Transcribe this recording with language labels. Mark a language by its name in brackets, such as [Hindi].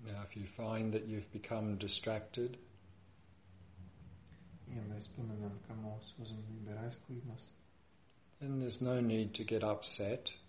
[English] If you find that you've become distracted, [Latvian] ja mēs pamanām, ka mūsu uzmanība ir aizklīdusi, [English] then there's no need to get upset.